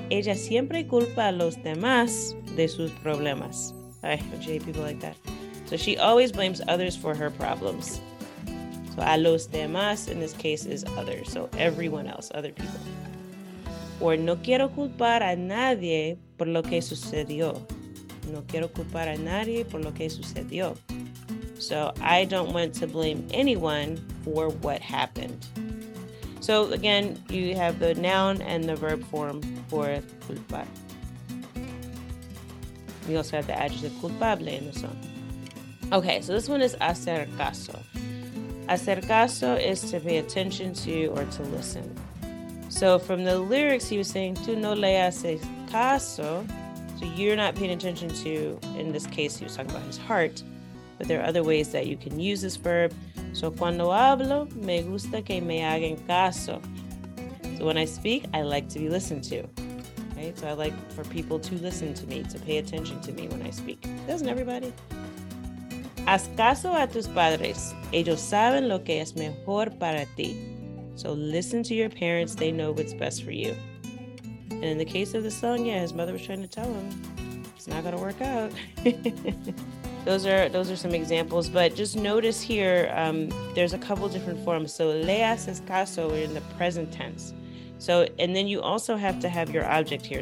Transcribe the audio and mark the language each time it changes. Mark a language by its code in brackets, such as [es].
[es] Ella siempre culpa a los demás de sus problemas. [en] I hate people like that. So she always blames others for her problems. So [es] a los demás [en] in this case is others. So everyone else, other people. [es] Or no quiero culpar a nadie por lo que sucedió. No quiero culpar a nadie por lo que sucedió. [en] So I don't want to blame anyone for what happened. So again, you have the noun and the verb form for culpar. We also have the adjective culpable in the song. Okay, so this one is hacer caso. [es] Hacer caso [en] is to pay attention to or to listen. So from the lyrics, he was saying, [es] tú no le haces caso. [en] So you're not paying attention to, in this case, he was talking about his heart. But there are other ways that you can use this verb. So [es] cuando hablo, me gusta que me hagan caso. [en] So when I speak, I like to be listened to. right? So I like for people to listen to me, to pay attention to me when I speak. Doesn't everybody? [es] Haz caso a tus padres. Ellos saben lo que es mejor para ti. [en] So listen to your parents. They know what's best for you. And in the case of the son, yeah, his mother was trying to tell him, it's not going to work out. Those are some examples. But just notice here, there's a couple different forms. So [es] le haces caso [en] in the present tense. So, and then you also have to have your object here.